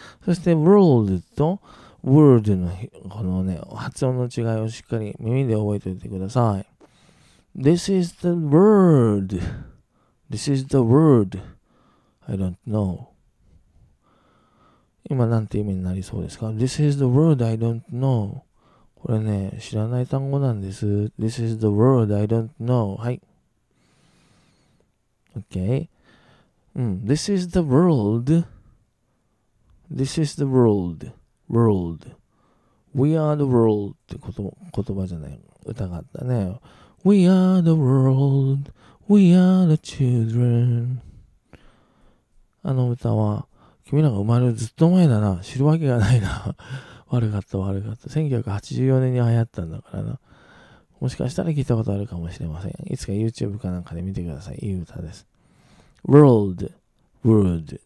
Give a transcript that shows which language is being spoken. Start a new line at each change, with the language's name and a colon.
Japanese: そして、world と world のこのね、発音の違いをしっかり耳で覚えておいてください。
English: This is the world. This is the world. I don't know.
Japanese: 今なんて意味になりそうですか？
English: This is the world I don't know.
Japanese: これね、知らない単語なんです。
English: This is the world I don't know.
Japanese: はい。
English: OK。 This is the world. This is the world. World.
Japanese: We are the world って言葉じゃない歌があったね。
English: We are the world, we are the children。
Japanese: あの歌は君らが生まれるずっと前だな、知るわけがないな。悪かった。 1984年に流行ったんだからな。もしかしたら聞いたことあるかもしれません。いつか YouTube かなんかで見てください。いい歌です。World, word。